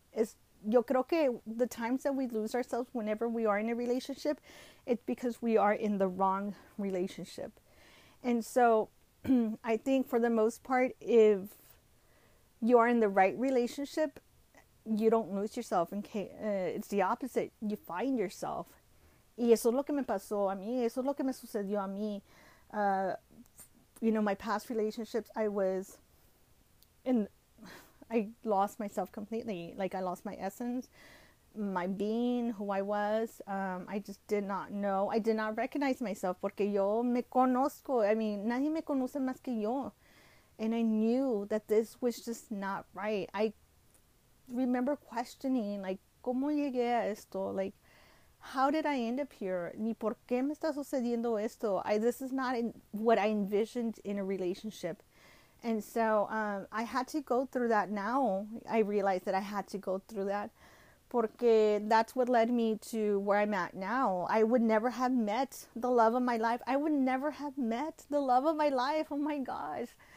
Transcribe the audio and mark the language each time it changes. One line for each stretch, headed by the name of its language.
English: Is
Spanish: yo creo que
English: the times that we lose ourselves whenever we are in a relationship, it's because we are in the wrong relationship. And so I think for the most part, if you are in the right relationship, you don't lose yourself. And it's the opposite. You find yourself.
Spanish: Y eso es lo que me pasó a mí. Eso es lo que me sucedió a mí.
English: You know, my past relationships, I lost myself completely. Like, I lost my essence, my being, who I was. I just did not know. I did not recognize myself.
Spanish: Porque yo me conozco.
English: I mean,
Spanish: nadie me conoce más que yo.
English: And I knew that this was just not right. I remember questioning, like,
Spanish: ¿cómo llegué a esto?
English: Like, how did I end up here?
Spanish: Ni por qué me está sucediendo esto?
English: This is not what I envisioned in a relationship. And so I had to go through that. Now I realized that I had to go through that,
Spanish: porque
English: that's what led me to where I'm at now. I would never have met the love of my life. I would never have met the love of my life. Oh my gosh.